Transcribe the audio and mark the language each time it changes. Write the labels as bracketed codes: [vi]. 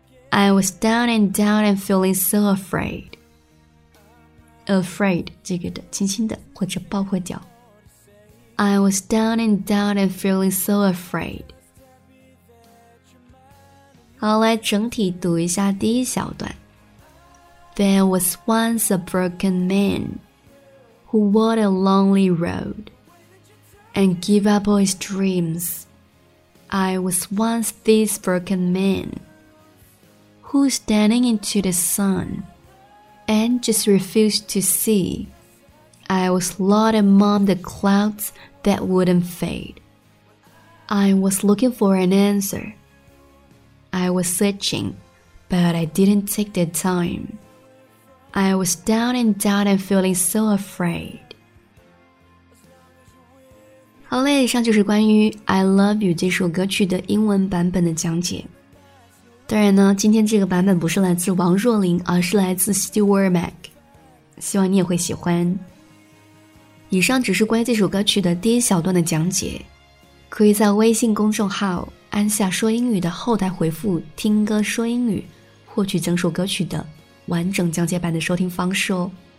[en] I was down and down and feeling so afraid. [zh] Afraid 这个的轻轻的或者爆破掉。 [en] I was down and down and feeling so afraid. [zh] 好，来整体读一下第一小段。 [en] There was once a broken man who walked a lonely road and gave up all his dreams. I was once this broken man who standing into the sun and just refused to see. I was lost among the clouds that wouldn't fade. I was looking for an answerI was searching, but I didn't take the time. I was down and down and feeling so afraid. [zh] 好嘞，以上就是关于 I Love You 这首歌曲的英文版本的讲解。当然呢，今天这个版本不是来自王若琳，而是来自 Stuart Mac， 希望你也会喜欢。以上只是关于这首歌曲的第一小段的讲解，可以在微信公众号安夏说英语的后台回复听歌说英语，获取整首歌曲的完整讲解版的收听方式哦。